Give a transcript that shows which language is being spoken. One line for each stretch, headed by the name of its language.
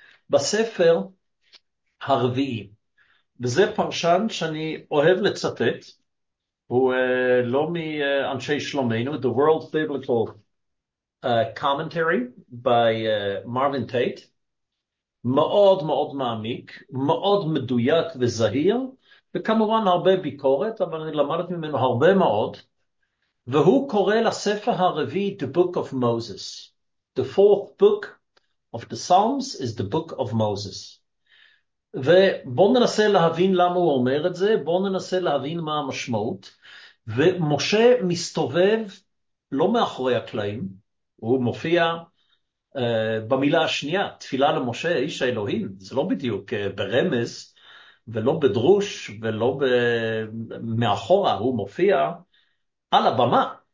Hebrew: בספר הרביעי. וזה פרשן שאני אוהב לצטט, הוא לא מאנשי שלומנו, The World Biblical Commentary by Marvin Tate, מאוד מאוד מעמיק, מאוד מדויק וזהיר, וכמובן הרבה ביקורת, אבל אני למדתי ממנו הרבה מאוד, והוא קורא לספר הרביעי The Book of Moses.
English: The fourth book of the Psalms is the Book of Moses.
Hebrew: ובואו ננסה להבין למה הוא אומר את זה, בואו ננסה להבין מה המשמעות. ומשה מסתובב לא מאחורי הקלעים, הוא מופיע במילה השנייה, תפילה למשה, איש האלוהים, זה לא בדיוק ברמז, ולא בדרוש, ולא מאחורה, הוא מופיע על הבמה.